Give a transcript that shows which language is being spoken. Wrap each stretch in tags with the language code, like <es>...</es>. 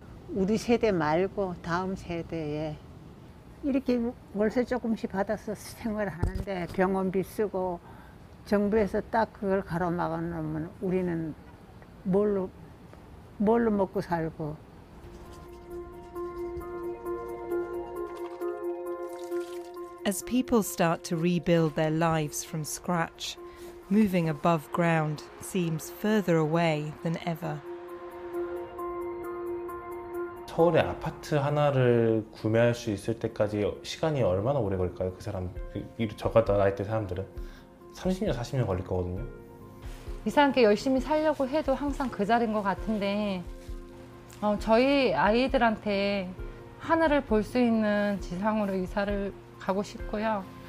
<ko>우리 세대 말고 다음 세대에 이렇게 월세 조금씩 받아서 생활을 하는데 병원비 쓰고 정부에서 딱 그걸 가로막아 놓으면 우리는 뭘로 먹고 살고.</ko> <en>As people start to rebuild their lives from scratch, moving above ground seems further away than ever.</en> <ko>서울에 아파트 하나를 구매할 수 있을 때까지 시간이 얼마나 오래 걸릴까요? 그 사람, 저 같은 나이 때 사람들은 30년, 40년 걸릴 거거든요. 이상하게 열심히 살려고 해도 항상 그 자리인 것 같은데 저희 아이들한테 하늘을 볼 수 있는 지상으로 이사를 가고 싶고요.</ko>